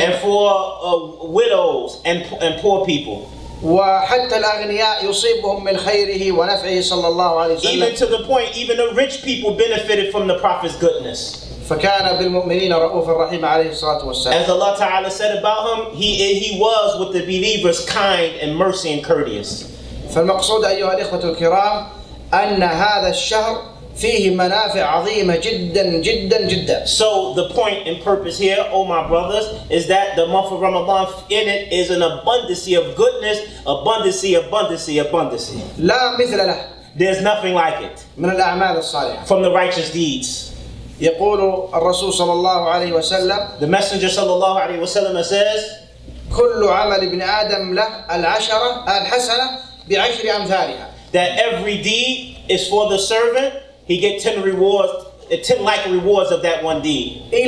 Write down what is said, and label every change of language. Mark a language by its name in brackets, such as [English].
[English] And for widows and poor people. [Arabic] وحتى الأغنياء يصيبهم من خيره ونفعه صلى الله عليه وسلم. [English] Even to the point, even the rich people benefited from the Prophet's goodness. [Arabic] فكان بالمؤمنين رؤوف الرحيم عليه الصلاة والسلام. [English] As Allah Ta'ala said about him, he was with the believers kind and mercy and courteous. [Arabic] فالمقصود أيها الإخوة الكرام أن هذا الشهر فيه منافع عظيمة جداً جداً جداً. [English] So the point and purpose here, oh my brothers, is that the month of Ramadan in it is an abundancy of goodness, abundancy, abundancy, abundancy. [Arabic] لا مثل له. [English] There's nothing like it. [Arabic] من الأعمال الصالحة. [English] From the righteous deeds. [Arabic] يقول الرسول صلى الله عليه وسلم. [English] The Messenger [Arabic] صلى الله عليه وسلم [English] says. [Arabic] كل عمل ابن آدم له العشرة الحسنة بعشر أمثالها. [English] That every deed is for the servant he get 10 rewards, 10 like rewards of that one deed.